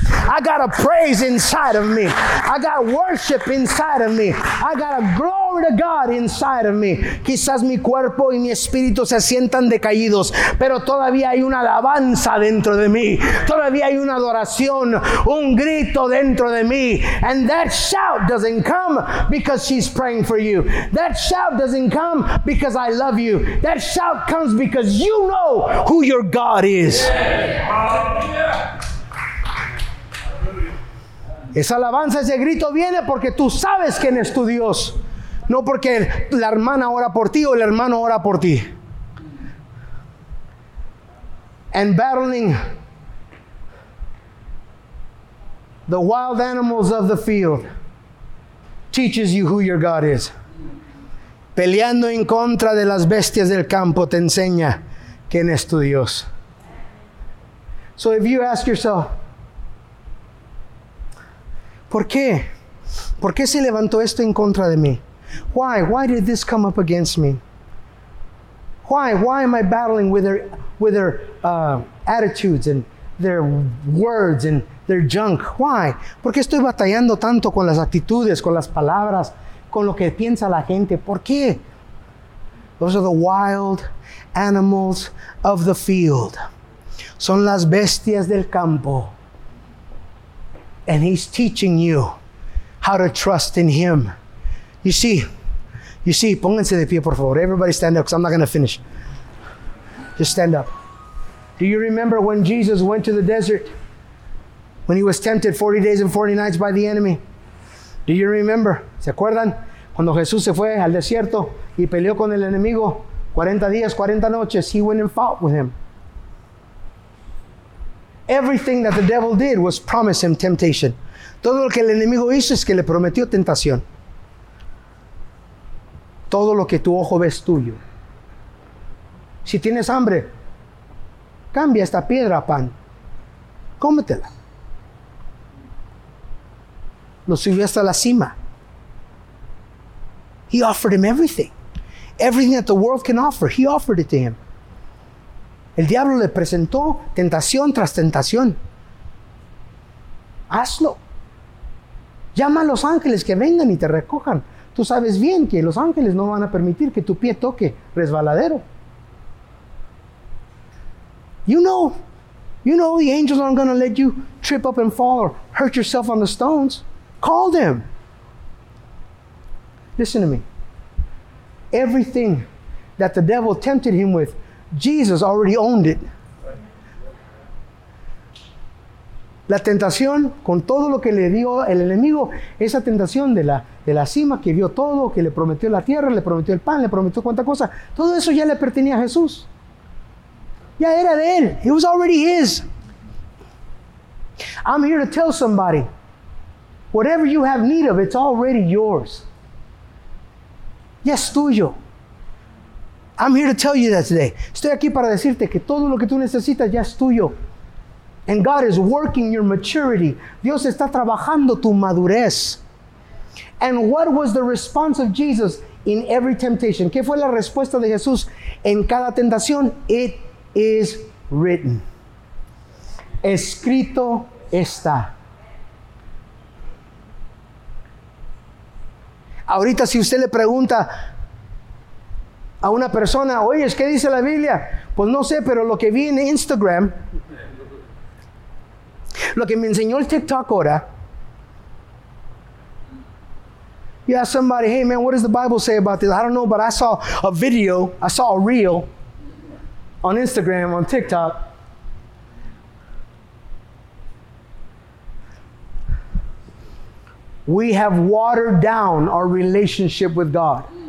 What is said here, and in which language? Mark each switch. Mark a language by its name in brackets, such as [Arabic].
[English] I got a praise inside of me. I got worship inside of me. I got a glory to God inside of me. [Spanish] Quizás mi cuerpo y mi espíritu se sientan decaídos, pero todavía hay una alabanza dentro de mí. Todavía hay una adoración, un grito dentro de mí. [English] And that shout doesn't come because she's praying for you. That shout doesn't come because I love you. That shout comes because you know who your God is. Yeah. [Spanish] Esa alabanza, ese grito viene porque tú sabes quién es tu Dios. No porque la hermana ora por ti o el hermano ora por ti. [English] And battling the wild animals of the field teaches you who your God is. [Spanish] peleando en contra de las bestias del campo, te enseña quién es tu Dios. [English] So if you ask yourself, [Spanish] ¿por qué? ¿Por qué se levantó esto en contra de mí? [English] Why did this come up against me? Why am I battling with their attitudes and their words and their junk? Why? [Spanish] ¿Por qué estoy batallando tanto con las actitudes, con las palabras, con lo que piensa la gente? ¿Por qué? [English] Those are the wild animals of the field. [Spanish] Son las bestias del campo. [English] And he's teaching you how to trust in him. You see, [Spanish] pónganse de pie, por favor. [English] Everybody stand up, because I'm not going to finish. Just stand up. Do you remember when Jesus went to the desert? When he was tempted 40 days and 40 nights by the enemy? Do you remember? [Spanish] ¿Se acuerdan? Cuando Jesús se fue al desierto y peleó con el enemigo 40 días, 40 noches, [English] he went and fought with him. Everything that the devil did was promise him temptation. [Spanish] Todo lo que el enemigo hizo es que le prometió tentación. Todo lo que tu ojo ve es tuyo. Si tienes hambre, cambia esta piedra a pan. Cómetela. Lo subió hasta la cima. [English] He offered him everything. Everything that the world can offer, he offered it to him. [Spanish] El diablo le presentó tentación tras tentación. Hazlo. Llama a los ángeles que vengan y te recojan. Tú sabes bien que los ángeles no van a permitir que tu pie toque resbaladero. [English] You know the angels aren't going to let you trip up and fall or hurt yourself on the stones. Call them. Listen to me. Everything that the devil tempted him with, Jesus already owned it. [Spanish] La tentación, con todo lo que le dio el enemigo, esa tentación de la cima, que vio todo, que le prometió la tierra, le prometió el pan, le prometió cuánta cosa, todo eso ya le pertenecía a Jesús. Ya era de él. [English] It was already his. I'm here to tell somebody, whatever you have need of, it's already yours. [Spanish] Ya es tuyo. [English] I'm here to tell you that today. [Spanish] Estoy aquí para decirte que todo lo que tú necesitas ya es tuyo. [English] And God is working your maturity. [Spanish] Dios está trabajando tu madurez. [English] And what was the response of Jesus in every temptation? [Spanish] ¿Qué fue la respuesta de Jesús en cada tentación? [English] It is written. [Spanish] Escrito está. Ahorita si usted le pregunta a una persona, oye, ¿qué dice la Biblia? Pues no sé, pero lo que vi en Instagram, lo que me enseñó el TikTok ahora. [English] You ask somebody, hey man, what does the Bible say about this? I don't know, but I saw a video, I saw a reel on Instagram, on TikTok. We have watered down our relationship with God.